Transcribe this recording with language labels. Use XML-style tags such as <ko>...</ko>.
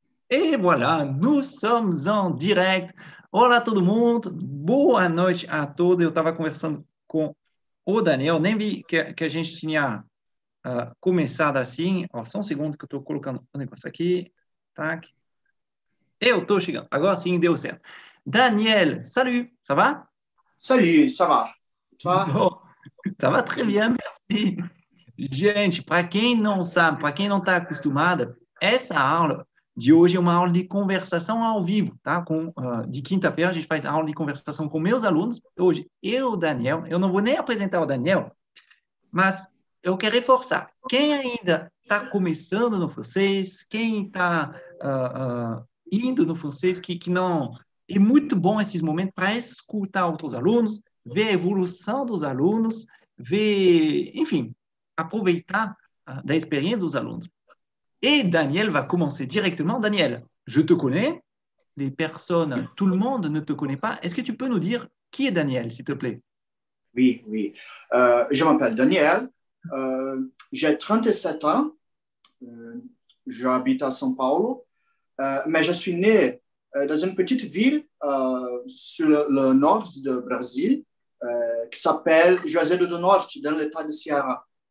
<fr>E voilà, nous sommes en direct.</fr> <pt>Olá, todo mundo. Boa noite a todos. Eu estava conversando com o Daniel, nem vi que a gente tinha começado assim. Ó, só um segundo que eu estou colocando o um negócio aqui. Tac. Eu estou chegando. Agora sim, deu certo.</pt> <fr>Daniel, salut, ça va? Salut, ça va? Toi? Bon, ça va très bien, merci.</fr> <pt>Gente, para quem não sabe, para quem não está acostumado, essa aula de hoje é uma aula de conversação ao vivo, tá? De quinta-feira a gente faz aula de conversação com meus alunos. Hoje, eu, Daniel, eu não vou nem apresentar o Daniel, mas eu quero reforçar. Quem ainda está começando no francês, quem está indo no francês, que não. É muito bom esses momentos para escutar outros alunos, ver a evolução dos alunos, ver, enfim, aproveitar da experiência dos alunos. E Daniel vai começar diretamente.</pt> <fr>Daniel, je te connais. Les personnes, tout le monde ne te connaît pas. Est-ce que tu peux nous dire qui est Daniel, s'il te plaît? Oui. Je m'appelle Daniel. J'ai 37 ans. J'habite à São Paulo. Mais je suis né dans une petite ville sur le nord du Brésil qui s'appelle Juazeiro do Norte, dans l'état de Ceará.</fr>